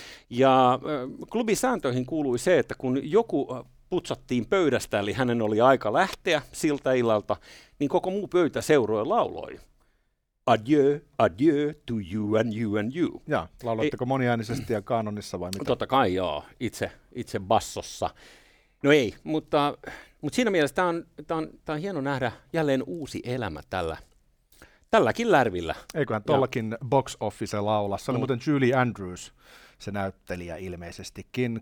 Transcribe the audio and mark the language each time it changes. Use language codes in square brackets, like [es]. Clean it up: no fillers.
[fi] Ja klubin sääntöihin kuului se, että kun joku putsattiin pöydästä, eli hänen oli aika lähteä siltä illalta, niin koko muu pöytä seuroi lauloi. [en] Adieu, adieu to you and you and you. [fi] Ja, lauloitteko moniäänisesti ja kanonissa vai mitä? Totta kai joo, itse bassossa. No ei, mutta siinä mielessä tämä on hieno nähdä jälleen uusi elämä tälläkin lärvillä. Eiköhän tollakin box office laula. Se oli muuten Julie Andrews, se näyttelijä ilmeisestikin.